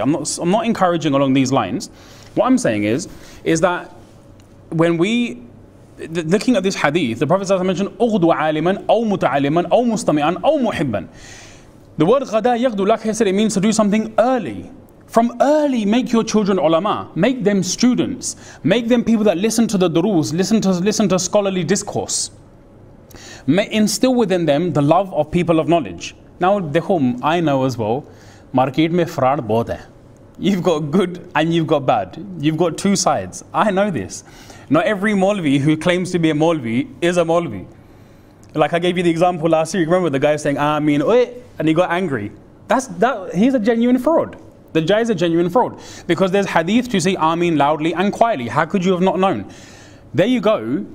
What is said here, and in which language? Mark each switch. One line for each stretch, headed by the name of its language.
English: I'm not encouraging along these lines. What I'm saying is that when we, looking at this hadith, the Prophet mentioned,
Arabic: أُغْدُ عَالِمًا أَوْ مُتَعَالِمًا أَوْ مُسْتَمِعًا أَوْ مُحِبًّا.
English: The word
Arabic: غَدَى يَغْدُ,
English: like I said, it means to do something early. From early, make your children ulama, make them students, make them people that listen to the durus, listen to scholarly discourse. Instill within them the love of people of knowledge. Now,
Urdu: دیکھم,
English: I know as well,
Urdu: market میں fraud بہت ہے.
English: You've got good and you've got bad. You've got two sides. I know this. Not every Maulvi who claims to be a Maulvi is a Maulvi. Like I gave you the example last year, remember the guy saying, "Ameen," and he got angry. He's a genuine fraud. The jai is a genuine fraud, because there's hadith to say Ameen loudly and quietly. How could you have not known? There you go.